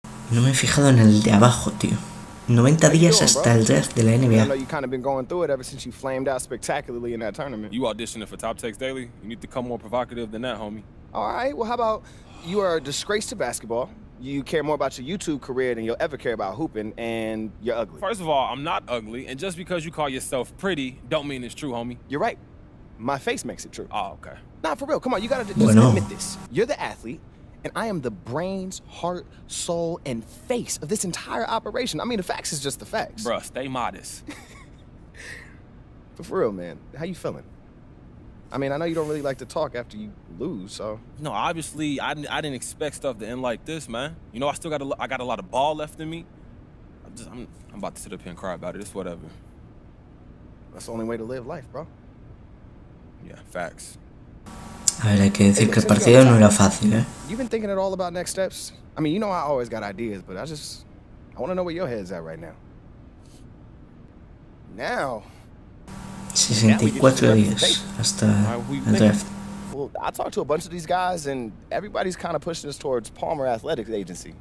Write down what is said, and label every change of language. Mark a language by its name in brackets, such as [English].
[Spanish] No me he fijado en el de abajo, tío. 90 días hasta el draft de la NBA. [English] You kind of been going through it ever since you flamed out spectacularly in that tournament. You auditioning for Top Text Daily? You need to come more provocative than that, homie. All right, well how about you are a disgrace to basketball? You care more about your YouTube career than you'll ever care about hooping, and you're ugly. First of all, I'm not ugly, and just because you call yourself pretty, don't mean it's true, homie. You're right. My face makes it true. Oh, okay. Nah, for real, come on, you gotta just admit this. You're the athlete, and I am the brains, heart, soul, and face of this entire operation. I mean, the facts is just the facts. Bruh, stay modest. But for real, man, how you feeling? I mean, I know you don't really like to talk after you lose, so. No, obviously, I didn't expect stuff to end like this, man. You know, I got a lot of ball left in me. I'm about to sit up here and cry about it. It's whatever. That's the only way to live life, bro. Yeah, facts. [Spanish] A ver, hay que decir que el partido no era fácil, ¿eh? [English] You've been thinking at all about next steps? I mean, you know I always got ideas, but I want to know where your head's at right now. Now. [Spanish] 64 días hasta el draft. [English] Well, I talked to a bunch of these guys, and everybody's kind of pushing us towards Palmer Athletics Agency.